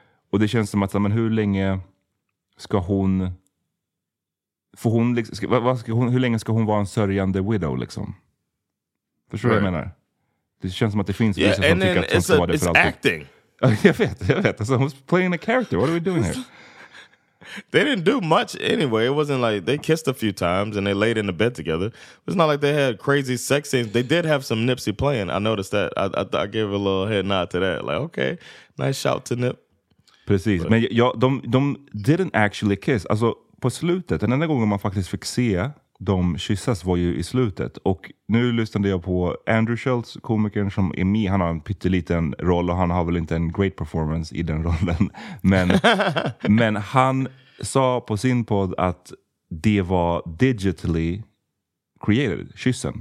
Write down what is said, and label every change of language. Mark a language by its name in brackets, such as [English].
[Swedish] Och det känns som att, men hur länge ska hon... Hur länge ska hon vara en sörjande widow liksom? Förstår du vad jag menar? Det känns som att det finns vissa som tycker att hon ska vara det för alltid. [English] It's acting. [Swedish] Jag vet. [English] Alltså, I was playing a character. What are we doing here? They didn't do much anyway. It wasn't like they kissed a few times and they laid in the bed together. It's not like they had crazy sex scenes. They did have some Nipsey playing. I noticed that. I gave a little head nod to that. Like, okay, nice shout to Nip. [Swedish] Precis. [English] But, [Swedish] men ja, de [English] didn't actually kiss. [Swedish] Alltså, på slutet, den enda gången man faktiskt fick se dem kyssas var ju i slutet. Och nu lyssnade jag på Andrew Schultz, komikern som är med. Han har en pytteliten roll och han har väl inte en [English] great performance [Swedish] i den rollen. Men, men han sa på sin podd att det var [English] digitally created, [Swedish] kyssen.